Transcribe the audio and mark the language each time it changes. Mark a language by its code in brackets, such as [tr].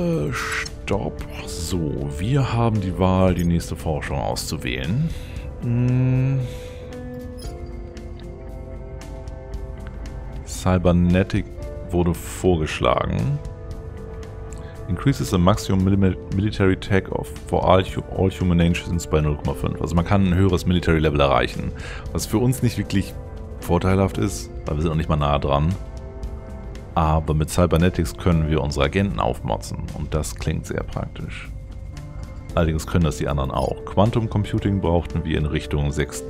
[de] Stopp. So, wir haben die Wahl, die nächste Forschung auszuwählen. Cybernetic wurde vorgeschlagen. [en] Increases the maximum military tech of for all human nations by 0,5. [de] Also man kann ein höheres Military Level erreichen. Was für uns nicht wirklich vorteilhaft ist, weil wir sind noch nicht mal nah dran. Aber mit Cybernetics können wir unsere Agenten aufmotzen. Und das klingt sehr praktisch. Allerdings können das die anderen auch. Quantum Computing brauchten wir in Richtung 6.